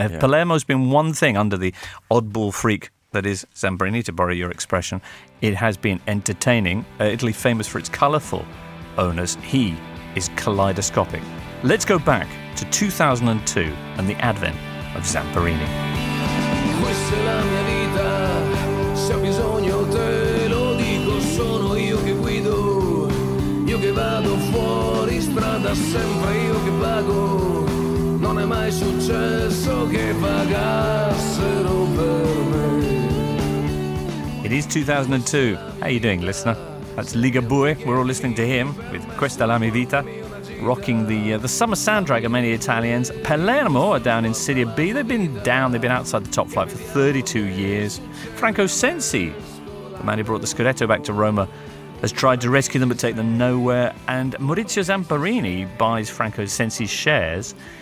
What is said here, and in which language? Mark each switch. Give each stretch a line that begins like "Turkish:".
English: And if Palermo's been one thing under the oddball freak that is Zamperini, to borrow your expression, it has been entertaining. Italy famous for its colourful owners. He is kaleidoscopic. Let's go back to 2002 and the advent of Zamperini.
Italian: Questa è la mia vita, se ho bisogno te lo dico, sono io che guido, io che vado fuori strada, sempre io che pago, non è mai successo che pagassero per me.
English: It is 2002. How are you doing, listener? That's Ligabue. We're all listening to him with Questa è la mia vita. Rocking the summer soundtrack of many Italians. Palermo are down in Serie B. They've been down. They've been outside the top flight for 32 years. Franco Sensi, the man who brought the Scudetto back to Roma, has tried to rescue them but take them nowhere. And Maurizio Zamperini buys Franco Sensi's shares.